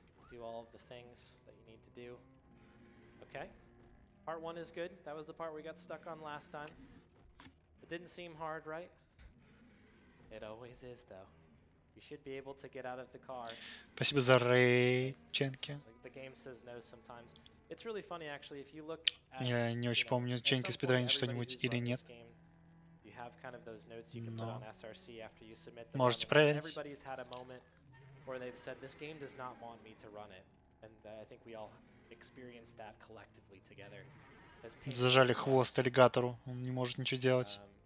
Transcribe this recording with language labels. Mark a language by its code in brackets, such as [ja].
[en] Do all of the things that you need to do. Okay? Part one is good. That was the part we got stuck on last time. It didn't seem hard, right? It always is, though. You should be able to get out of the car. [ru] Спасибо за Рейченки. [en] The game says no sometimes. It's really funny, actually, if you look at... [ru] Я не очень помню, Ченки спидранит что-нибудь или нет. [en] You have kind of those notes you can put on SRC after you submit them. [ru] Можете проверить. [en] Everybody's had a moment where they've said, this game does not want me to run it. And I think we all experienced that collectively together. [ru] Зажали хвост аллигатору. Он не может ничего делать.